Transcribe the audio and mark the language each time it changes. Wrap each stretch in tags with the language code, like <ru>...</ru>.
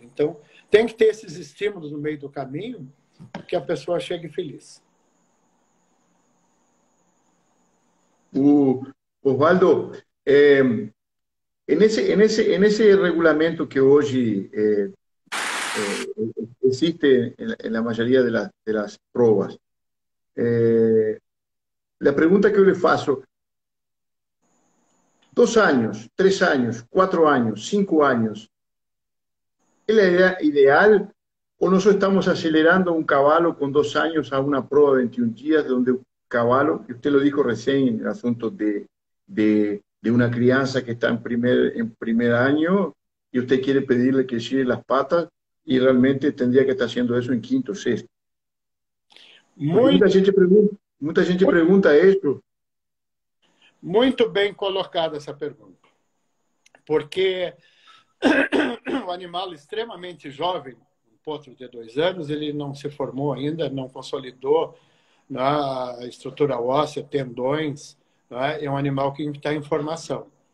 <pt>Então, tem que ter esses estímulos no meio do caminho que a pessoa chegue feliz.</pt> <es>Osvaldo, en ese regulamento que hoy existe en la mayoría de las pruebas, la pregunta que yo le</es> <pt>faço:</pt> <es>2 años, 3 años, 4 años, 5 años, ¿es la idea ideal o nosotros estamos acelerando un caballo con 2 años a una prueba de 21 días donde un caballo, y usted lo dijo recién en el asunto de una crianza que está en primer año y usted quiere pedirle que gire las patas y realmente tendría que estar haciendo eso en quinto, sexto? Porque</es> <pt>Muito,</pt> <es>mucha gente pregunta esto.</es> <pt>muito, muito bem colocada essa pergunta. Porque o animal extremamente jovem, um potro de 2 anos, ele não se formou ainda, não consolidou a estrutura óssea, tendões, né? É um animal que está em formação.</pt>